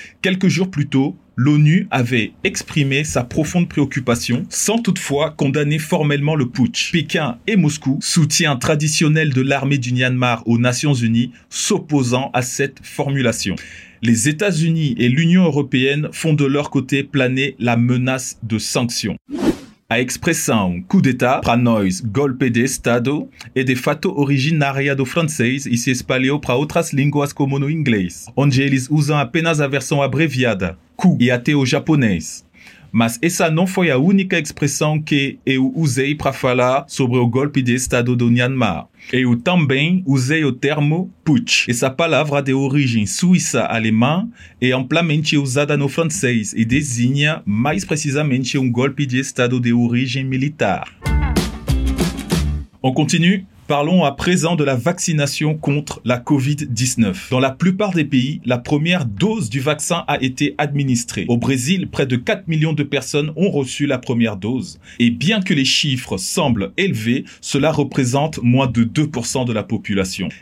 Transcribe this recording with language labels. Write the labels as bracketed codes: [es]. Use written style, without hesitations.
[fr] Quelques jours plus tôt, l'ONU avait exprimé sa profonde préoccupation, sans toutefois condamner formellement le putsch. Pékin et Moscou, soutien traditionnel de l'armée du Myanmar aux Nations Unies, s'opposant à cette formulation. Les États-Unis et l'Union européenne font de leur côté planer la menace de sanctions. [pt] A expressão, coup d'état, para nós, golpe de estado, é de fato originária do francês e se espalhou para outras línguas como no inglês, onde eles usam apenas a versão abreviada, coup, e até o japonês. Mas essa não foi a única expressão que eu usei para falar sobre o golpe de estado do Myanmar. Eu também usei o termo putsch. Essa palavra de origem suíça-alemã é amplamente usada no francês e designa mais precisamente golpe de estado de origem militar. [fr] On continue? Parlons à présent de la vaccination contre la Covid-19. Dans la plupart des pays, la première dose du vaccin a été administrée. Au Brésil, près de 4 millions de personnes ont reçu la première dose. Et bien que les chiffres semblent élevés, cela représente moins de 2% de la population.